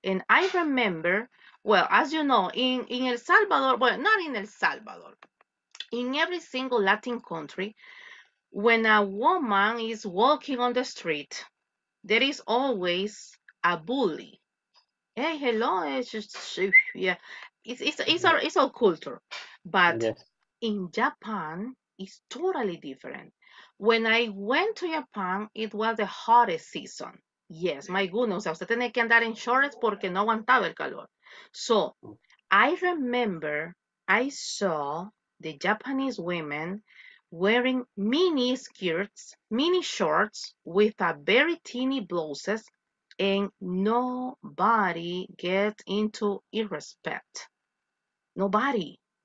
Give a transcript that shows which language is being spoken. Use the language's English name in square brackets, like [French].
[English] And I remember, well, as you know, in El Salvador, well, not in El Salvador, in every single Latin country, when a woman is walking on the street, there is always a bully. Hey, hello. Yeah. It's our culture, but yes. In Japan, it's totally different. When I went to Japan, it was the hottest season. Yes, my goodness, [Spanish] usted tenía que andar en shorts porque no aguantaba el calor. [English] So, I remember I saw the Japanese women wearing mini skirts, mini shorts with a very teeny blouses, and nobody get into irrespect. Nobody.